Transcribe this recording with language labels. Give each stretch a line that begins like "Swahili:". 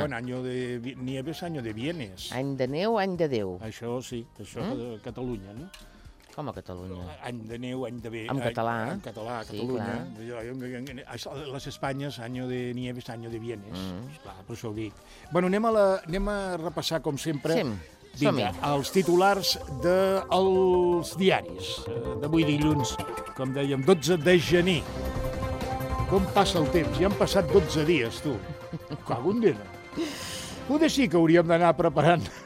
Spanish: Bueno, año de nieves, año de bienes.
Catalan: Any de neu, any de Déu. Això sí, això a Catalunya, no? Com a Catalunya? Any de neu, any de bé. En català, En català, a Catalunya. Sí, les Espanyes,
Spanish: año de nieves, año de bienes.
Catalan: Esclar, per això ho dic. Bueno, anem a repassar, com sempre. Sí. Vinga, els titulars dels diaris d'avui dilluns, com dèiem, 12 de gener. Com passa el temps? Ja han passat 12 dies, tu. Cago en Déu. Potser sí que hauríem d'anar preparant.